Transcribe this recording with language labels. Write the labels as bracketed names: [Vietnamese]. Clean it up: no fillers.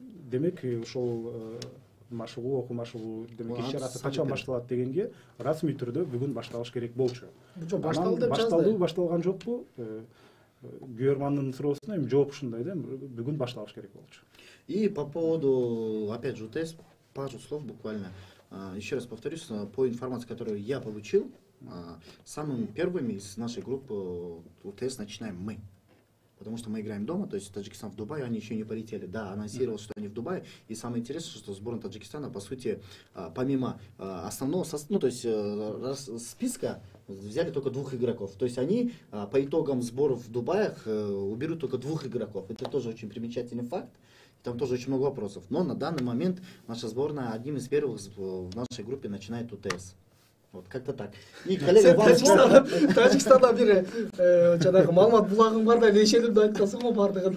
[Kyrgyz] Демек ошол машыгуу, окуу машыгуу демек иш чарасы качан башталат дегенге расмий түрдө бүгүн башталыш керек болчу. Башталды деп жазды. Башталды, башталган жокпу? Күйөрмандын суроосуна эми жооп ушундай да, бүгүн башталыш керек болчу. [Russian] И по поводу опять же тест, пару слов буквально. Еще раз повторюсь, по информации, которую я получил, самыми первыми из нашей группы УТС начинаем мы. Потому что мы играем дома, то есть Таджикистан в Дубае, они еще не полетели. Да, анонсировал, что они в Дубае. И самое интересное, что сборная Таджикистана, по сути, помимо основного состава, ну, то есть списка, взяли только двух игроков. То есть они по итогам сборов в Дубае уберут только двух игроков. Это тоже очень примечательный факт. Там тоже очень много вопросов. Но на данный момент наша сборная одним из первых в нашей группе начинает УТС. Вот как-то так. И коллега Валычев. [Kyrgyz] Таджикстанда бир жанагы маалымат булагым бар да, эшелим да айткансың го бардыгын.